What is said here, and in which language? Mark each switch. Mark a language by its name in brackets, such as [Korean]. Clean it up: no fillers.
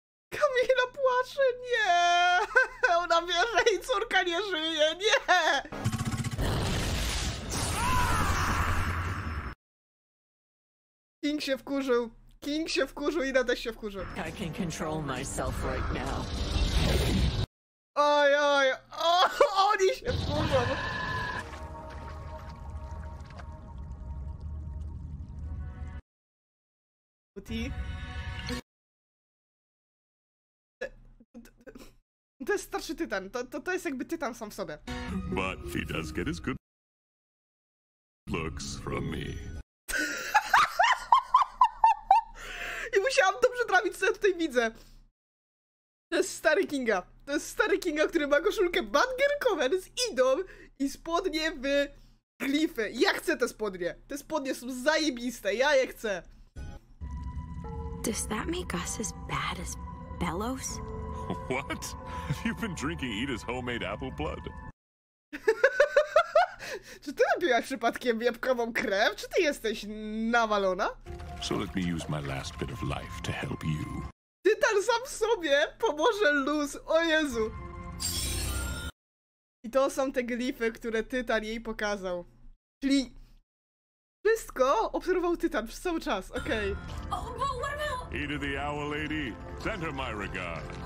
[Polish] Kamila płacze, nie. Ona wie, że jej córka nie żyje, nie. King się wkurzył. King się wkurzył i Ida też się wkurzył. [English] I can control myself right now. [Polish] Oj, oj, o, oni się wkurzą. To jest starszy tytan. To jest jakby tytan sam w sobie. [English] But he does get his good looks from me. [Polish] Musiałam dobrze trafić, co ja tutaj widzę. To jest stary Kinga. To jest stary Kinga, który ma koszulkę Bad Girl Cover z Idą i spodnie w glify. Ja chcę te spodnie. Te spodnie są zajebiste. Ja je chcę. [English] Does that make us as bad as Bellows? What? Have you been drinking Ida's homemade apple blood? [Polish] Czy ty napiłaś przypadkiem jabłkową krew? Czy ty jesteś nawalona? [English] So let me use my last bit of life to help you. [Polish] Ty tam sam sobie pomoże Luz, o Jezu! I to są te glify, które Tytan jej pokazał. Czyli wszystko obserwował Tytan przez cały czas, okej. [English] Okay. Eat of the owl lady, send her my regard.